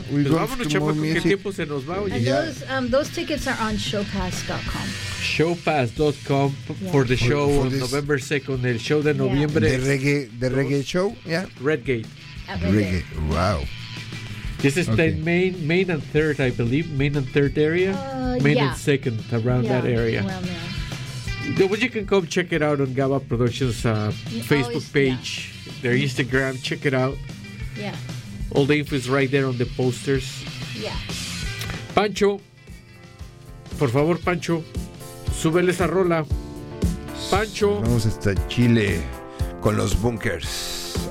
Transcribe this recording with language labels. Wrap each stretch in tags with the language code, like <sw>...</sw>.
<es>Pues vámonos, Chapo, ¿con qué tiempo se nos va?</es> <en>And those tickets are on showpass.com. Showpass.com for the show for on November 2nd,</en> <es>el show de noviembre.</es> <en>De reggae show, yeah. Redgate. Reggae, wow. This is the main and third, I believe. Main and third area? Main and second, around that area. Well, yeah. But you can come check it out on Gaba Productions Facebook page. Yeah. Their Instagram, check it out. Yeah. All the info is right there on the posters. Yeah.</en> <es>Pancho, por favor, Pancho, súbele esa rola. Pancho. Vamos hasta Chile con los Bunkers.</es>